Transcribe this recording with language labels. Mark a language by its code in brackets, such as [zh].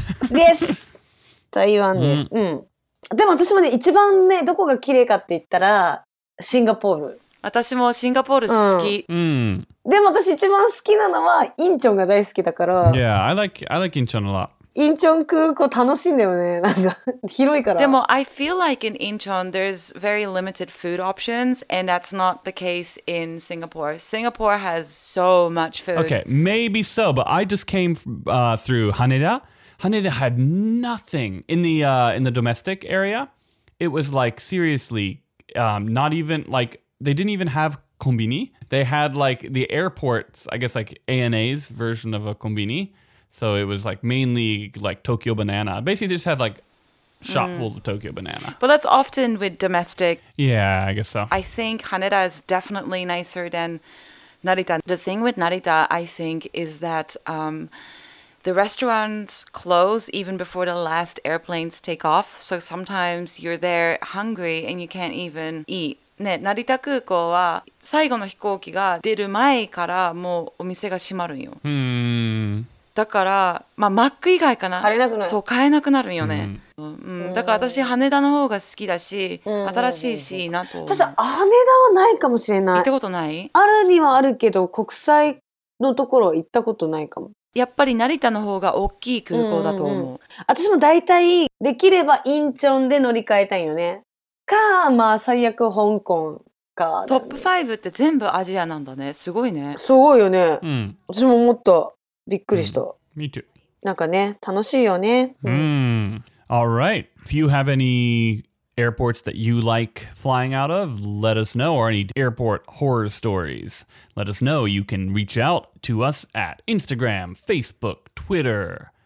[ja] です。台湾です。うん。でも私もね、一番ね、どこが綺麗かって言ったら、シンガポール。私もシンガポール好き。でも私一番好きなのは、インチョンが大好きだから。 [en] Yeah, I like インチョン a lot. [ja] Incheon 空港楽しいんだよね。なんか広いから。 [en] でも I feel like in Incheon there's very limited food options and that's not the case in Singapore. Singapore has so much food. Okay, maybe so, but I just came through Haneda. Haneda had nothing in the domestic area. It was like seriously not even like they didn't even have konbini. They had like the airports, I guess like ANA's version of a konbini. So it was like mainly like Tokyo Banana. Basically, they just had like shop full of Tokyo Banana. But that's often with domestic. Yeah, I guess so. I think Haneda is definitely nicer than Narita. The thing with Narita, I think, is that the restaurants close even before the last airplanes take off. So sometimes you're there hungry and you can't even eat. [ja] ね、成田空港は最後の飛行機が出る前からもうお店が閉まるんよ。だから、まあ、マック以外かな、買えなくなる。そう、買えなくなるよね。だから私羽田の方が好きだし、新しいしなと。確か羽田はないかもしれない。行ったことない？あるにはあるけど、国際のところ行ったことないかも。やっぱり成田の方が大きい空港だと思う。私も大体できればインチョンで乗り換えたいよね。か、まあ最悪香港か、ね。トップ5って全部アジアなんだね。すごいね。すごいよね。うん、私ももっとびっくりした。 [en] Me too. [ja] なんかね、楽しいよね。 [en] All right. If you have any airports that you like flying out of, let us know. Or any airport horror stories, let us know. You can reach out to us at Instagram, Facebook, Twitter.